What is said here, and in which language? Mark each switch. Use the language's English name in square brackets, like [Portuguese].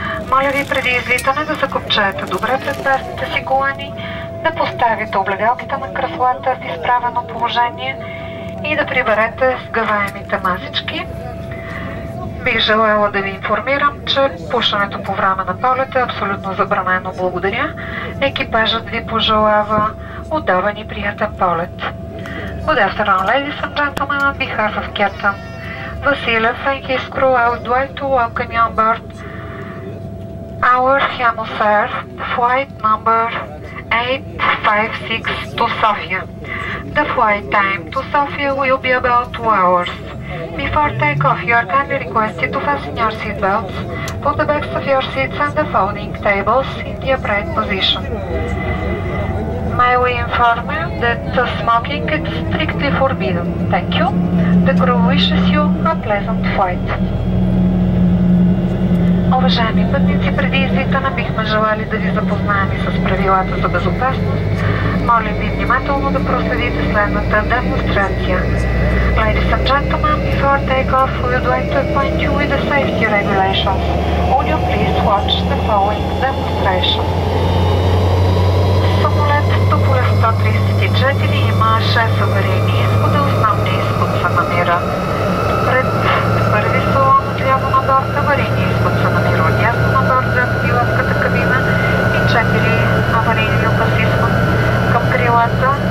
[Bulgarian] Моля ви преди излитане да закопчаете добре пред пясните си колани, да поставите облегалките на креслата в изправено положение и да приберете сгъваемите масички. Бих желала да ви информирам, че пушенето по време на полета е абсолютно забранено. Благодаря. Екипажът ви пожелава удобен и приятен полет. [English] Good afternoon, ladies and gentlemen, on behalf of Captain Василев and his crew, I would like to welcome you on board our Хямус Ер flight number 856 to Sofia. The flight time to Sofia will be about 2 hours. Before takeoff, you are kindly requested to fasten your seat belts, put the backs of your seats and the folding tables in the upright position. May we inform you that smoking is strictly forbidden. Thank you. The crew wishes you a pleasant flight. [Bulgarian] Уважаеми пътници, преди излитане бихме желали да ви запознаем с правилата за безопасност. Молим ви внимателно да проследите следната демонстрация. [English] Ladies and gentlemen, before take-off, we would like to acquaint you with the safety regulations. Would you please watch the following demonstration? [Bulgarian] Самолет Туполев 134 има 6 аварийни изхода, основни изход се намира. Пред първи салон отляво на борт, аварийни изход се намира отясно на борт, зад пилотската кабина и 4 аварийни опас изход към крилата.